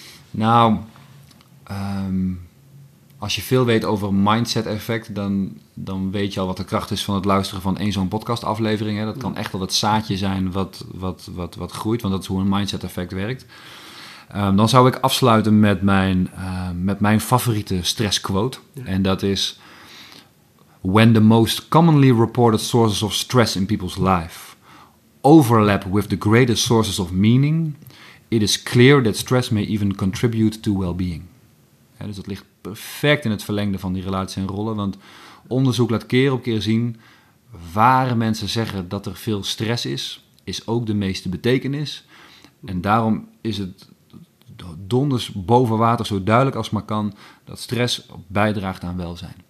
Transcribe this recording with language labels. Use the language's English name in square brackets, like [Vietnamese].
[Dutch] Nou, als je veel weet over mindset effect, dan weet je al wat de kracht is van het luisteren van één zo'n podcast aflevering. Hè? Dat kan echt al het zaadje zijn wat groeit, want dat is hoe een mindset effect werkt. Dan zou ik afsluiten met mijn favoriete stressquote. Ja. En dat is... [English] When the most commonly reported sources of stress in people's life overlap with the greatest sources of meaning, it is clear that stress may even contribute to well-being. [Dutch] Ja, dus dat ligt perfect in het verlengde van die relaties en rollen. Want onderzoek laat keer op keer zien waar mensen zeggen dat er veel stress is, is ook de meeste betekenis. En daarom is het... donders boven water, zo duidelijk als maar kan, dat stress bijdraagt aan welzijn.